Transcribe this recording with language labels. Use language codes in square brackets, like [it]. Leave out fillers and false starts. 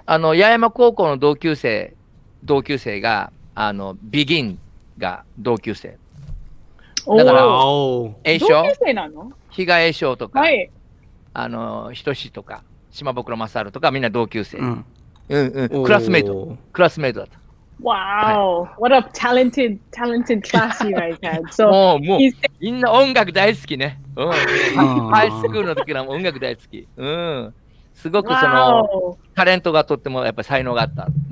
[ja] 八重山高校の同級生が、ビギンが同級生。だから、栄翔、比嘉栄翔とか、はい、仁志とか、島袋まさるとか、みんな同級生。うん、うん、うん。クラスメイトだった。 [en] Wow, what a talented class you guys had. So, [ja] みんな音楽大好きね。ハイスクールの時からも音楽大好き。すごくその、タレントがとってもやっぱ才能があった。